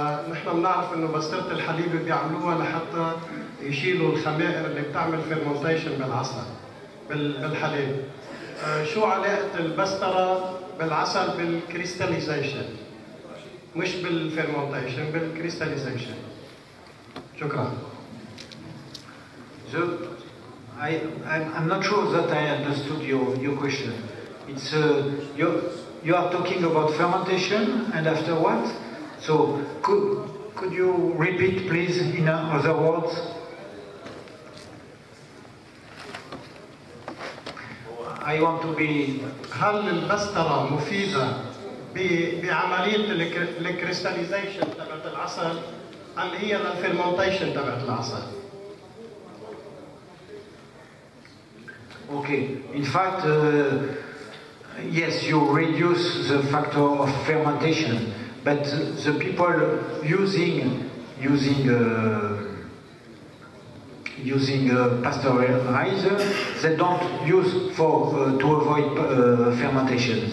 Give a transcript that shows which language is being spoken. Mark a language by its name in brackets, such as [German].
[Arabic] نحن بنعرف انه مسطرة الحليب بيعملوها لحتى يشيلوا الخمائر اللي بتعمل فيرمونتيشن بالعسل بالحليب. شو علاقة المسطرة بالعسل بالكريستاليزيشن؟ مش بالفيرمونتيشن، بالكريستاليزيشن. شكرا. [English] I'm not sure that I understood your question. It's you are talking about fermentation and after what? So could you repeat, please, in other words? I want to be. [Arabic] هل البسترة مفيدة بعملية الكريستاليزيشن تبعت العسل أم هي للفيرمونتيشن تبعت العسل؟ [English] Okay. In fact, yes, you reduce the factor of fermentation, but the people using using pasteurizer. They don't use for to avoid fermentation.